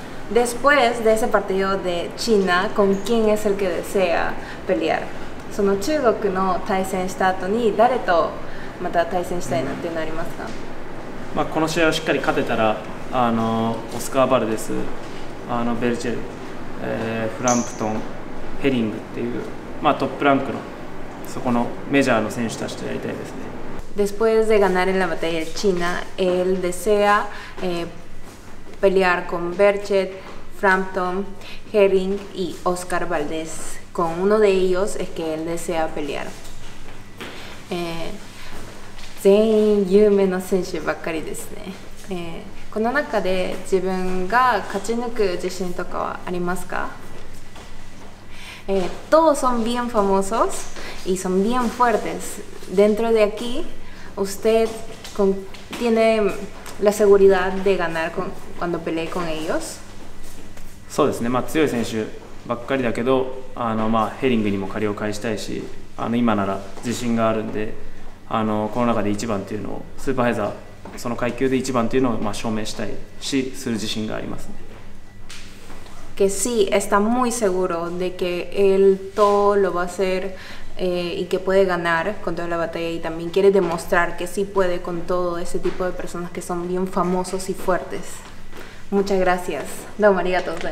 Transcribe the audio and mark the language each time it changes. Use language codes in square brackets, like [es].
[es] Después de ese partido de China, ¿con quién es el que desea pelear? [ja] その中国の対戦した後に誰とまた対戦したいなっていうのありますか？まあ、この試合をしっかり勝てたら、あのオスカー・バルデス、あのベルチェル、フランプトン、ヘリングっていう、まあ、トップランクのそこのメジャーの選手たちとやりたいですね。 [es] Después de ganar en la batalla de China, él desea、pelear con Berchet, Frampton, Herring y Oscar Valdez. Con uno de ellos es que él desea pelear. [ja] 全員有名な選手ばっかりですね。この中で自分が勝ち抜く自信とかはありますか？ [es] Todos son bien famosos y son bien fuertes. Dentro de aquí, usted tiene la seguridad de ganar con, cuando pelee con ellos. [ja] そうですね。まあ強い選手ばっかりだけど、あのまあヘリングにも借りを返したいし、あの今なら自信があるんで、あのこの中で一番っていうのをスーパーヘザーその階級で一番っていうのをまあ証明したいしする自信がありますね。 [es] Que sí, está muy seguro de que él todo lo va a hacer、y que puede ganar con toda la batalla y también quiere demostrar que sí puede con todo ese tipo de personas que son bien famosos y fuertes. Muchas gracias. [ja] Domo arigatou gozaimasu.